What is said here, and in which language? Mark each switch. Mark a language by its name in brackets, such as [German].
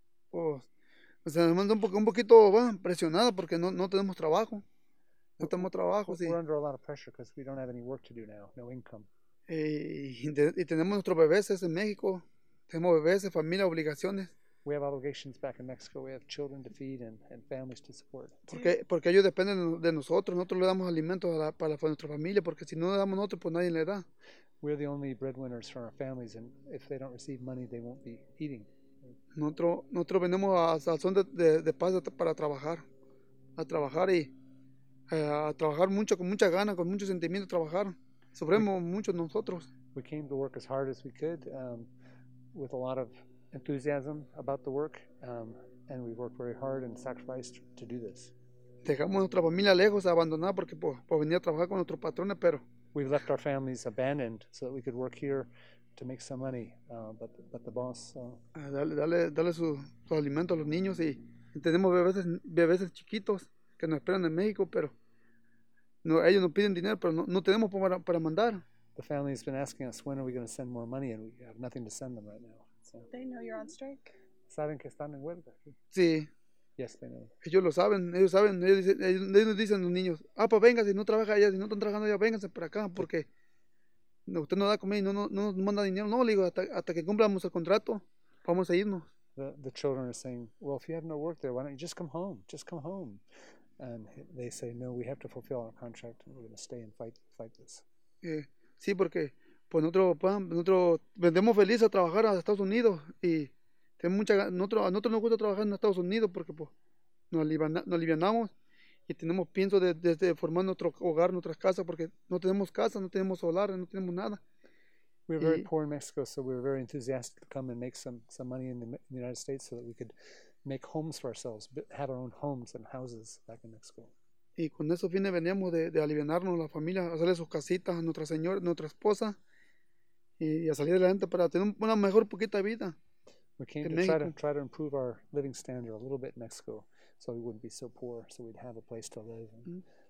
[Spanish] Pues se manda un poquito presionado porque no tenemos trabajo. No tenemos trabajo, sí. [English] We're under a lot of pressure because we don't have any work to do now. No income. [Spanish] Y tenemos nuestros bebés en México. Tenemos bebés, familia, obligaciones. [English] We have obligations back in Mexico. We have children to feed and families to support. [Spanish] Porque ellos dependen de nosotros. Nosotros le damos alimentos para nuestra familia, porque si no le damos nosotros, pues nadie le da. [English] We're the only breadwinners for our families, and if they don't receive money, they won't be eating. [Spanish] Nosotros venimos a son de paz para trabajar, a trabajar y a trabajar mucho, con mucha gana, con mucho sentimiento, trabajar. Sufrimos mucho nosotros. [English] We came to work as hard as we could, with a lot of enthusiasm about the work, and we worked very hard and sacrificed to do this. [Spanish] Dejamos nuestra familia lejos, abandonada, porque por venir a trabajar con nuestros patrones, pero... [English] We've left our families abandoned so that we could work here to make some money, but the boss... [Spanish] Dale su alimento a los niños y tenemos bebés chiquitos que nos esperan en México, pero no, ellos nos piden dinero, pero no tenemos para mandar. [English] The family has been asking us, when are we going to send more money, and we have nothing to send them right now. So. They know you're on strike? [Spanish] Saben que están en huelga. Sí. [English] Yes, they know. [Spanish] Ellos lo saben, ellos saben, ellos dicen a los niños, ah, pues venga, si no trabaja allá, si no están trabajando allá, vénganse para acá, porque usted no da comida y no manda dinero. No, le digo, hasta que cumplamos el contrato, vamos a irnos. [English] The children are saying, well, if you have no work there, why don't you just come home, just come home. And they say, no, we have to fulfill our contract, and we're going to stay and fight this. Yeah. [Spanish] Sí, porque pues nosotros vendemos felices a trabajar a Estados Unidos y tenemos mucha nosotros nos gusta trabajar en Estados Unidos porque pues nos alivianamos y tenemos pienso de formar nuestro hogar, nuestras casas, porque no tenemos casa, no tenemos solar, no tenemos nada. [English] We're very poor in Mexico, so we're very enthusiastic to come and make some money in the United States so that we could make homes for ourselves, have our own homes and houses back in Mexico. [Spanish] Y con esos fines veníamos de aliviarnos la familia, hacerle sus casitas a nuestra señora, nuestra esposa, y a salir adelante para tener una mejor poquita vida. [English] We came to try to improve our living standard a little bit in Mexico, so we wouldn't be so poor, so we'd have a place to live. And,